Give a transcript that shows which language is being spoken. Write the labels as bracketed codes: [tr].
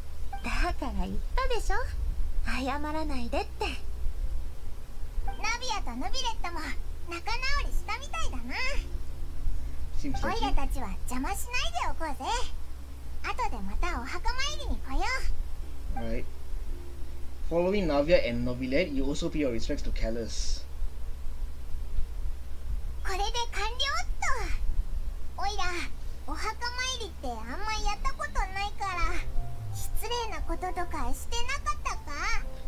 [ja] だから言ったでしょ、謝らないでって。ナビアとヌビレットも仲直りしたみたいだな。オイラたちは邪魔しないでおこうぜ。後でまたお墓参りに来よう。 [en] Right. Following Navia and Nobilet, you also pay your respects to Kallus. [ja] これで完了っと。オイラ、お墓参りってあんまやったことないから、失礼なこととかしてなかったか？